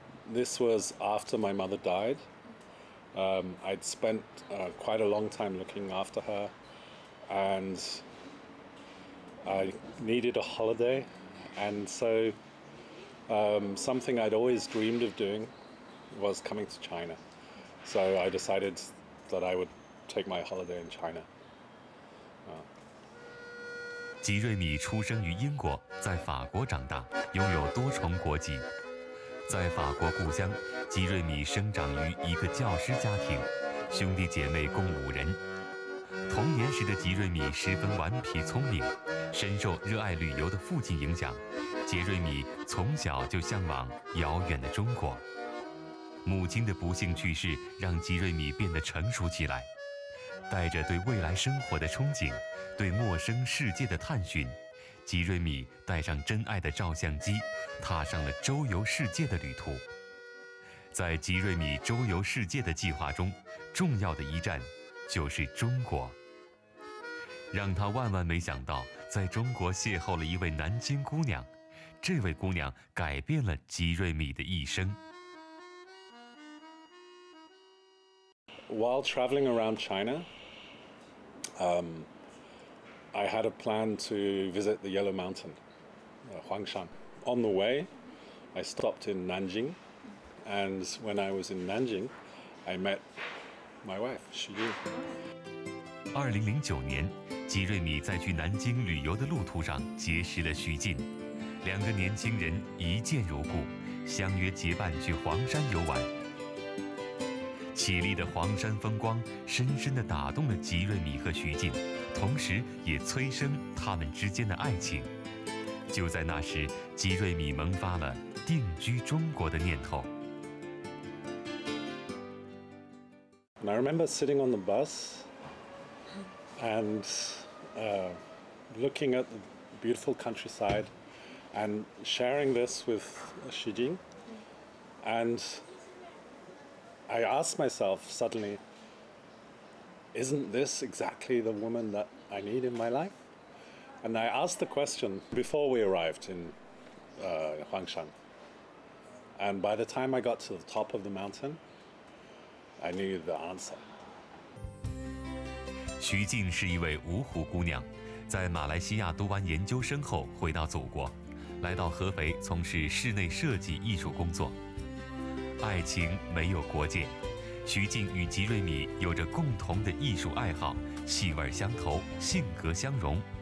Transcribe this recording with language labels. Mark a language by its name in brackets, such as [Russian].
[English] This was after my mother died. I'd spent quite a long time looking after her, and I needed a holiday, and so something I'd always dreamed of doing was coming to China. So I decided that I would take my holiday in China. [Chinese] 吉瑞米出生于英国，在法国长大，拥有多重国籍。在法国故乡，吉瑞米生长于一个教师家庭，兄弟姐妹共五人。童年时的吉瑞米十分顽皮聪明，深受热爱旅游的父亲影响。杰瑞米从小就向往遥远的中国，母亲的不幸去世让杰瑞米变得成熟起来，带着对未来生活的憧憬，对陌生世界的探寻，杰瑞米带上真爱的照相机，踏上了周游世界的旅途。在杰瑞米周游世界的计划中，重要的一站就是中国。让他万万没想到，在中国邂逅了一位南京姑娘，这位姑娘改变了吉瑞米的一生。 [English] While traveling around China, I had a plan to visit the Yellow Mountain, Huangshan. On the way, I stopped in Nanjing, and when I was in Nanjing, I met my wife, Xu Yu. [Chinese] 2009年，吉瑞米在去南京旅游的路途上结识了徐静。两个年轻人一见如故，相约结伴去黄山游玩。绮丽的黄山风光深深地打动了吉瑞米和徐静，同时也催生他们之间的爱情。就在那时，吉瑞米萌发了定居中国的念头。 [English] And I remember sitting on the bus and looking at the beautiful countryside and sharing this with Xu Jing. And I asked myself suddenly, isn't this exactly the woman that I need in my life? And I asked the question before we arrived in Huangshan. And by the time I got to the top of the mountain,I knew the answer. [Chinese] 徐静是一位芜湖姑娘，在马来西亚读完研究生后回到祖国，来到合肥从事室内设计艺术工作。爱情没有国界，徐静与吉瑞米有着共同的艺术爱好，气味相投，性格相融。